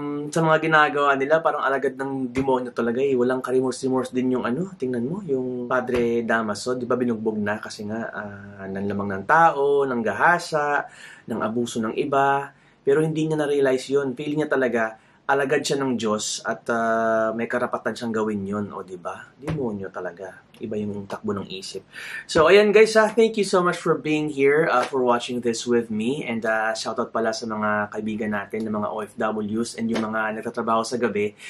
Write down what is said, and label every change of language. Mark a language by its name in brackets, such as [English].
[Filipino] sa mga ginagawa nila, parang alagad ng demonyo talaga eh. Walang karimors-remorse din yung ano, tingnan mo, yung Padre Damaso, di ba binugbog na kasi nga, nanlamang ng tao, ng gahasa, ng abuso ng iba. Pero hindi niya na-realize yun, feeling niya talaga, alagad siya ng Diyos at may karapatan siyang gawin yun, o diba? Demonyo talaga. Iba yung takbo ng isip. [English] So, ayan guys, thank you so much for being here, for watching this with me. [Filipino] And shoutout pala sa mga kaibigan natin, ng mga OFWs and yung mga nagtatrabaho sa gabi.